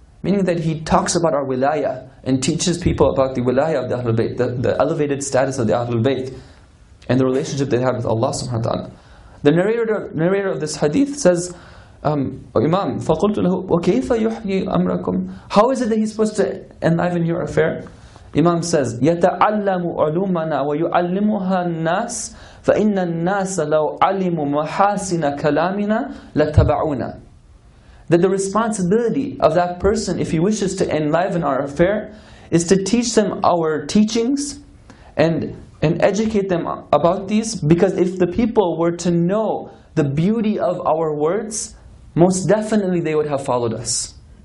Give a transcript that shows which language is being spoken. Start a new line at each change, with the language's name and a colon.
English: Meaning that he talks about our wilaya and teaches people about the wilaya of the Ahlul Bayt, the elevated status of the Ahlul Bayt and the relationship they have with Allah subhanahu wa ta'ala. The narrator of this hadith says, Imam,
Arabic: فَقُلْتُ لَهُ وَكَيْفَ يُحْيِي أَمْرَكُمْ.
English: How is it that he's supposed to enliven your affair? Imam says,
Arabic: يَتَعَلَّمُ عُلُومَنَا وَيُعَلِّمُهَا النَّاسِ فَإِنَّ النَّاسَ لَوْ عَلِمُ مَحَاسِنَ كَلَامِنَا لَتَبَعُونَ.
English: That the responsibility of that person, if he wishes to enliven our affair, is to teach them our teachings and educate them about these, because if the people were to know the beauty of our words, most definitely they would have followed us.